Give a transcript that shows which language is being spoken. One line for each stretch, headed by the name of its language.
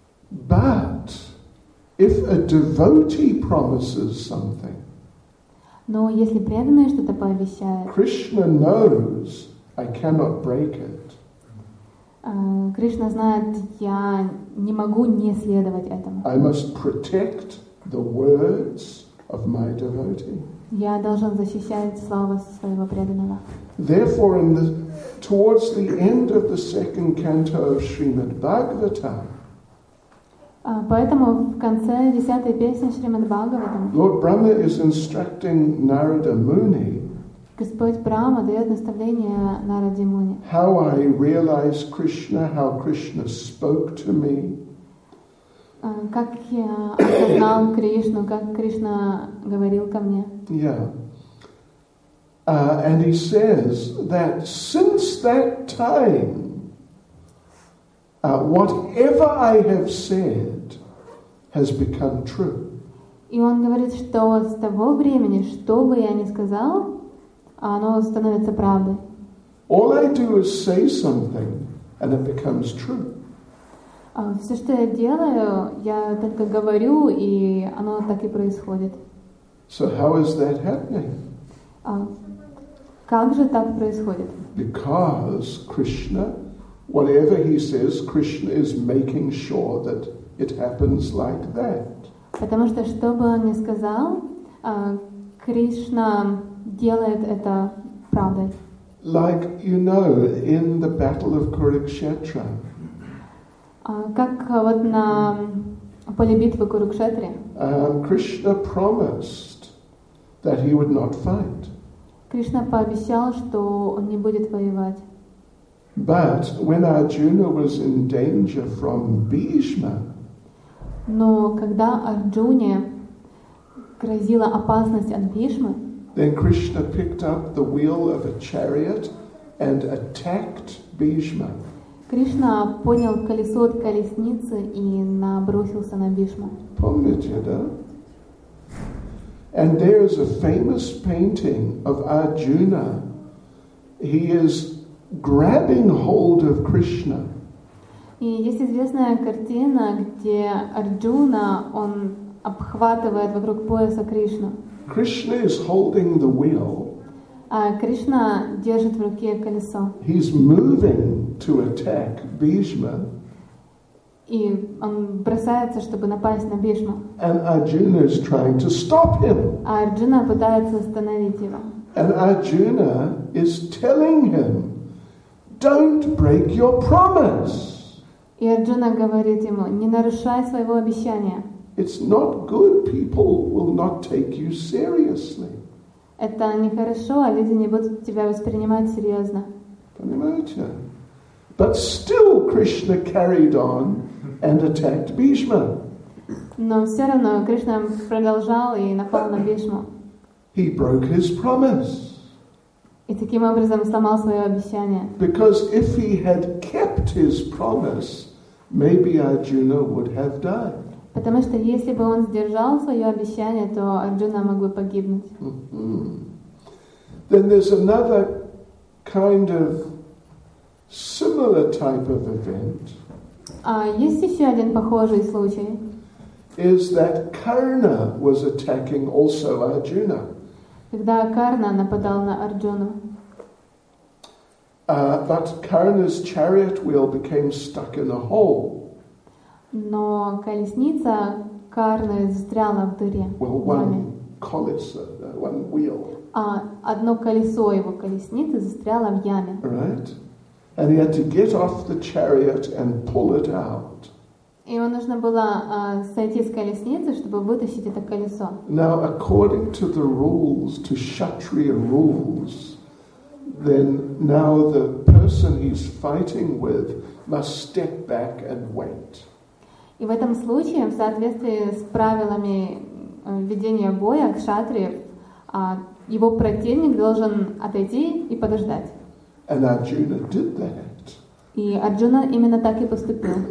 English: But if a devotee promises something,
Russian: но если преданный что-то пообещает,
English: Krishna knows I cannot break it.
Russian: Кришна знает, я не могу не следовать этому.
English: I must protect the words of my devotee.
Russian: Я должен защищать слово своего преданного.
English: Therefore, in the, towards the end of the second canto of Srimad Bhagavatam,
Russian: поэтому в конце десятой песни Шримад Бхагаватам
English: Lord Brahma is instructing Narada Muni,
Russian: Господь Брама дает наставление Нараде Муни,
English: how I realize Krishna, how Krishna spoke to me,
Russian: как я осознал Кришну, как Кришна говорил ко мне.
English: Yeah. And he says that since that time, whatever I have said has become true.
Russian: И он говорит, что с того времени, что бы я ни сказал, оно становится правдой.
English: All I do is say something, and it becomes true.
Russian: Все, что я делаю, я только говорю, и оно так и происходит.
English: So how is that happening?
Russian: Как же так происходит?
English: Because Krishna, whatever he says, Krishna is making sure that it happens like that.
Russian: Потому что, что бы он ни сказал, Кришна делает это правдой.
English: Like, you know, in the battle of Kurukshetra,
Russian: как вот на поле битвы Курукшетре.
English: Krishna promised that he would not fight.
Russian: Кришна пообещал, что он не будет воевать.
English: But when Arjuna was in danger from Bhishma,
Russian: но когда Арджуне грозила опасность от Бхишмы,
English: then Krishna picked up the wheel of a chariot and attacked Bhishma.
Russian: Кришна понял колесо от колесницы и набросился на Бхишму. Помните, да?
English: And there is a famous painting of Arjuna. He is grabbing hold of Krishna.
Russian: И есть известная картина, где Арджуна, он обхватывает вокруг пояса Кришну.
English: Krishna is holding the wheel.
Russian: А Кришна держит в руке колесо.
English: He's moving to attack Bhishma.
Russian: И он бросается, чтобы напасть на Бхишму.
English: And Arjuna is trying to stop him.
Russian: А Арджуна пытается остановить его.
English: And Arjuna is telling him, "Don't break your promise."
Russian: И Арджуна говорит ему: "Не нарушай своего обещания."
English: It's not good. People will not take you seriously.
Russian: Это нехорошо, а люди не будут тебя воспринимать серьезно. Понимаете?
English: But still, Krishna carried on and attacked Bhishma.
Russian: Но все равно Кришна продолжал и напал на Бхишму.
English: He broke his promise.
Russian: И таким образом сломал свое обещание.
English: Because if he had kept his promise, maybe Arjuna would have died.
Russian: Потому что если бы он сдержал свое обещание, то Арджуна мог бы погибнуть. Mm-hmm.
English: Then there's another kind of similar type of event.
Russian: А есть еще один похожий случай.
English: Is that Karna was attacking also Arjuna?
Russian: Когда Карна нападал на Арджуну.
English: But Karna's chariot wheel became stuck in a hole.
Russian: Но колесница Карны застряла в дыре.
English: Well, one
Russian: колесо,
English: one wheel.
Russian: А одно колесо его колесницы застряло в яме.
English: Right. And he had to get off the chariot and pull it out.
Russian: Ему нужно было сойти с колесницы, чтобы вытащить это колесо.
English: Now, according to the rules, to Kshatriya rules, then now the person he's fighting with must step back and wait.
Russian: И в этом случае, в соответствии с правилами ведения боя, кшатриев, его противник должен отойти и подождать.
English: And Arjuna did that.
Russian: И Арджуна именно так и поступил.